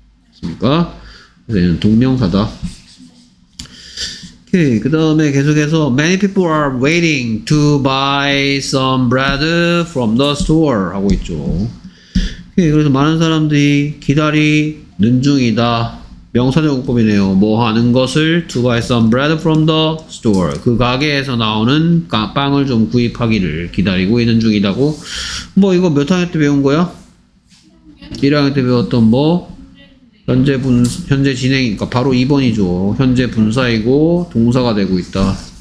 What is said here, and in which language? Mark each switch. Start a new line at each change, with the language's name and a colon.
Korean: 됐습니까? 그래서 얘는 동명사다.
English: 그 다음에 계속해서 Many people are waiting to buy some bread from the store
Korean: 하고 있죠. 그래서 많은 사람들이 기다리는 중이다. 명사정법이네요. 뭐 하는 것을
English: to buy some bread from the store.
Korean: 그 가게에서 나오는 빵을 좀 구입하기를 기다리고 있는 중이라고. 뭐 이거 몇 학년 때 배운 거야? 1학년 때 배웠던 뭐? 현재 분 현재 진행이니까 바로 2번이죠. 현재 분사이고 동사가 되고 있다.